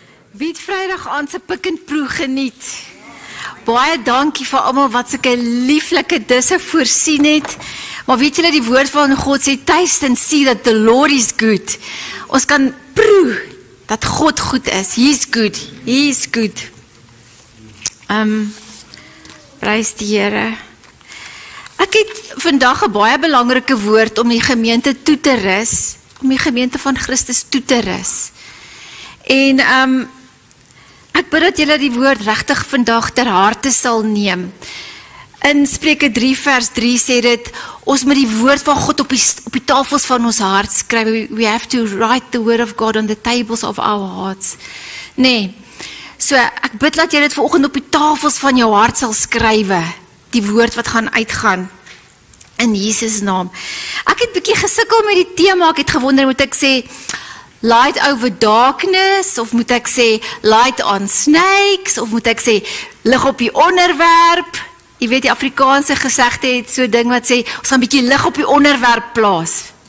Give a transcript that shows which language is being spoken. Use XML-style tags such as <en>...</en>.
<af>Wie het Vrydag aan se pik en proe geniet? Baie dankie vir almal wat sulke lieflike disse voorsien het. Maar weet julle die woord van God sê</af> <en>taste and see that the Lord is good.</en> <af>Ons kan proe dat God goed is.</af> <en>He's good. He's good.</en> <af>Prys die Here. Ek het vandag 'n baie belangrike woord om die gemeente toe te rus. Om die gemeente van Christus toe te rus. En ek bid dat julle die woord regtig vandag ter harte sal neem. In Spreuke 3 vers 3 sê dit, ons moet die woord van God op die tafels van ons hart skryf.</af> <en>We have to write the word of God on the tables of our hearts.</en> <af>Nee, so ek bid dat jy dit vanoggend op die tafels van jou hart sal skrywe, die woord wat gaan uitgaan. In Jesus naam. Ek het bietjie gesukkel met die tema, ek het gewonder, moet ek sê,</af> <en>light over darkness,</en> <af>of moet ek sê,</af> <en>light on snakes,</en> <af>of moet ek sê, lig op die onderwerp, jy weet die Afrikaanse gesegde het so ding wat sê, ons gaan bietjie lig op die onderwerp plaas.</af>